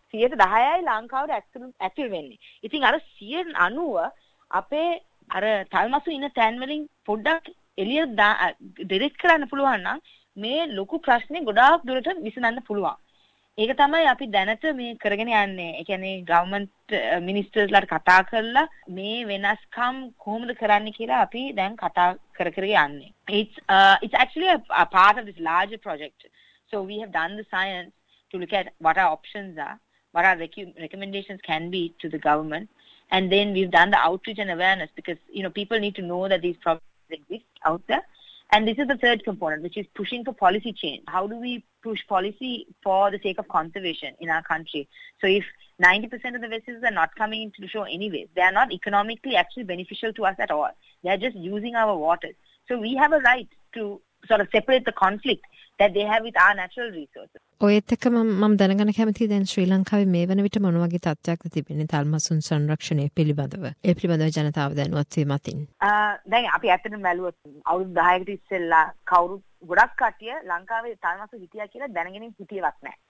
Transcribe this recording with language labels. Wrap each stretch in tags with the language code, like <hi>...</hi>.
<si>10%යි ලංකාවට ඇතුල් වෙන්නේ. ඉතින් අර 90% අපේ අර තල්මසු ඉන්න තැන් වලින් පොඩ්ඩක් එළිය ඩිරෙක්ට් කරන්න පුළුවන් නම් මේ ලොකු ප්‍රශ්නේ ගොඩාක් දුරට විසඳන්න පුළුවන්. ඒක තමයි අපි දැනට මේ කරගෙන යන්නේ. ඒ කියන්නේ ගවර්න්මන්ට් මිනිස්ටර්ස්ලාට කතා කරලා මේ වෙනස්කම් කොහොමද කරන්නේ කියලා අපි දැන් කතා කර යන්නේ.</si> <en>It's actually a part of this larger project. So we have done the science to look at what our options are, what our recommendations can be to the government, and then we've done the outreach and awareness because you know people need to know that these problems exist out there. And this is the third component, which is pushing for policy change. How do we push policy for the sake of conservation in our country? So if 90% of the vessels are not coming into the shore anyway, they are not economically actually beneficial to us at all. They are just using our waters. So we have a right to sort of separate the conflict that they have with our natural resources.</en> <si>ඔයත් එක්ක මම දැනගන්න කැමතියි දැන් ශ්‍රී ලංකාවේ මේ වන විට මොන වගේ තත්ත්වයක්ද තිබෙන්නේ තල්මසුන් සංරක්ෂණය පිළිබඳව, ඒ පිළිබඳව ජනතාව දැනුවත් වීමටින්? දැන් අපි ඇත්තටම බැලුවොත් අවුරුදු 10කට ඉස්සෙල්ලා කවුරු ගොඩක් කටිය ලංකාවේ තල්මසු හිටියා කියලා දැනගෙන හිටියවත් නැහැ.</si>